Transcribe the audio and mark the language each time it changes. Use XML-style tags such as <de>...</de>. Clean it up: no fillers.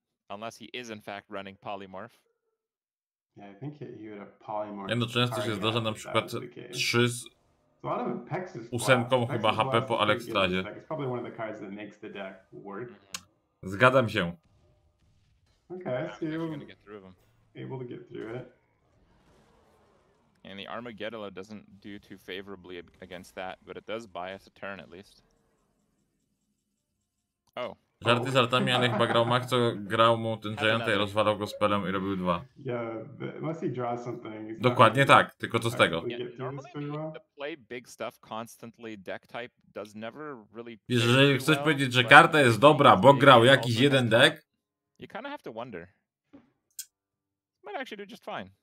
<en>Unless he is in fact running Polymorph. Yeah, I think he would have Polymorph.</en> <pl>Wiem, no często się zdarza na przykład 3 z 8 chyba HP po Alekstrazie.</pl> <en>It's probably one of the cards that makes the deck work.</en> <pl>Zgadzam się.</pl> <en>Okay, so you're able to get through it. And the Armageddon doesn't do too favorably against that, but it does buy us a turn at least. Oh.</en> <pl>Żarty żartami, ale chyba grał Mach, co grał mu ten Giant i rozwalał go spelem i robił 2.</pl> <en>Yeah, unless he draws something.</en> <pl>Dokładnie tak, tylko co z tego?</pl> <en>Play big stuff constantly, deck type does never really.</en> <pl>Jeżeli chcesz powiedzieć, że karta jest dobra, bo grał jakiś jeden deck.</pl> <en>You kind of have to wonder. Might actually do just fine.</en>